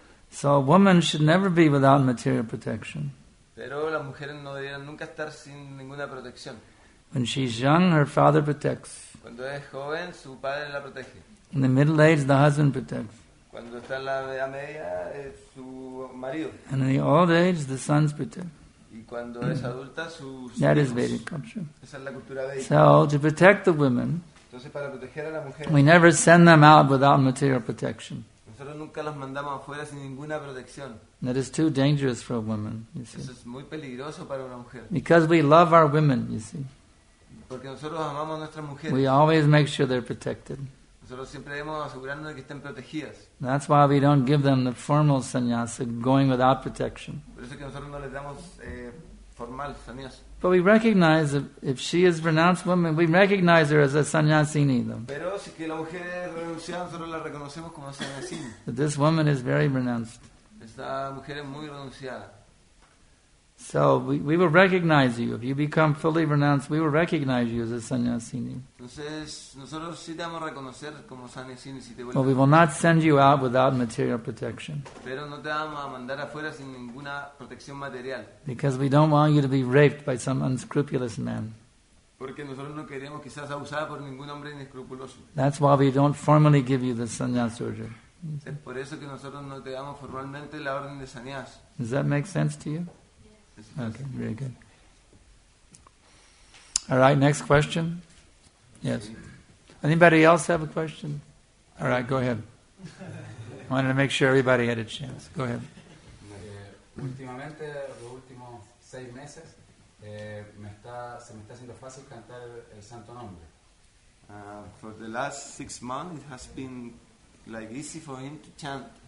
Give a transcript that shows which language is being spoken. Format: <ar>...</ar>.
<en>So, a woman should never be without material protection.</en> <es>Pero las mujeres no deberían nunca estar sin ninguna protección.</es> <en>When she's young, her father protects.</en> <es>Cuando es joven, su padre la protege.</es> <en>In the middle age, the husband protects.</en> <es>Cuando está la edad media, su marido.</es> <en>And in the old age, the sons protect.</en> <es>Y cuando es adulta,</es> <en>that is Vedic culture.</en> <es>Esa es la cultura Vedic.</es> <en>So, to protect the women,</en> <es>entonces, para proteger a la mujer,</es> <en>we never send them out without material protection.</en> <es>Nosotros nunca las mandamos afuera sin ninguna protección.</es> <en>That is too dangerous for a woman, you see.</en> <es>Eso es muy peligroso para una mujer.</es> <en>Because we love our women, you see.</en> <es>Porque nosotros amamos a nuestras mujeres.</es> <en>We always make sure they're protected.</en> <es>Nosotros siempre debemos asegurarnos de que estén protegidas.</es> <en>That's why we don't give them the formal sannyasa, going without protection.</en> <es>Por eso que nosotros no les damos formal sannyasa.</es> <en>But we recognize if she is renounced woman, we recognize her as a sannyasini.</en> <es>Pero si que la mujer renuncia, nosotros la reconocemos como sannyasini.</es> <en>But this woman is very renounced.</en> <es>Esta mujer es muy renunciada.</es> <en>So we will recognize you. If you become fully renounced, we will recognize you as a sannyasini.</en> <es>Entonces, nosotros sí te vamos a reconocer como sannyasini si te vuelves.</es> <en>But we will not send you out without material protection.</en> <es>Pero no te vamos a mandar afuera sin ninguna protección material.</es> <en>Because we don't want you to be raped by some unscrupulous man.</en> <es>Porque nosotros no queremos que seas abusada por ningún hombre inescrupuloso.</es> <en>That's why we don't formally give you the sannyas order.</en> <es>Es por eso que nosotros no te damos formalmente la orden de sannyas.</es> <en>Does that make sense to you? Okay, very good. All right, next question. Yes. Anybody else have a question? All right, go ahead. I wanted to make sure everybody had a chance. Go ahead.</en> <es>Últimamente, los últimos seis meses, se me está haciendo fácil cantar el santo nombre.</es> <en>For the last 6 months, it has been like easy for him to chant.</en>